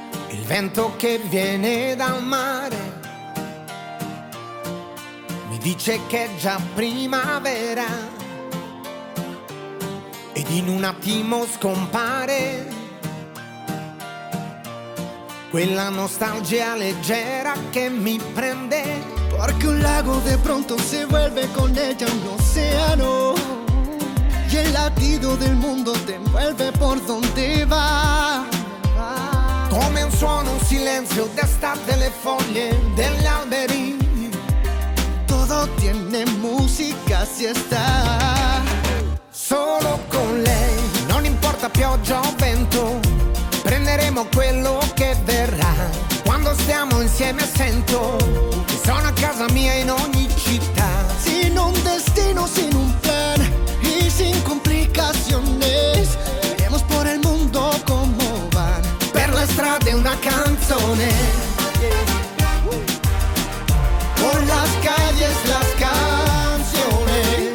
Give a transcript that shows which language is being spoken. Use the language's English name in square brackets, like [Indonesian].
[Italian] Il vento che viene dal mare mi dice che è già primavera, ed in un attimo scompare quella nostalgia leggera che mi prende. [Spanish] Porque un lago de pronto se vuelve con ella un océano, y el latido del mundo te envuelve por donde va. [Italian] Come un suono, un silencio d'estate, le foglie degli alberi. [Spanish] Todo tiene música si está [Italian] solo con lei, non importa pioggia o vento, prenderemo quello che verrà. Quando stiamo insieme sento che sono a casa mia in ogni città. [Spanish] Sin un destino, sin un plan y sin complicaciones, iremos por el mundo como van. [Italian] Per la strada una canzone, por las calles las calles.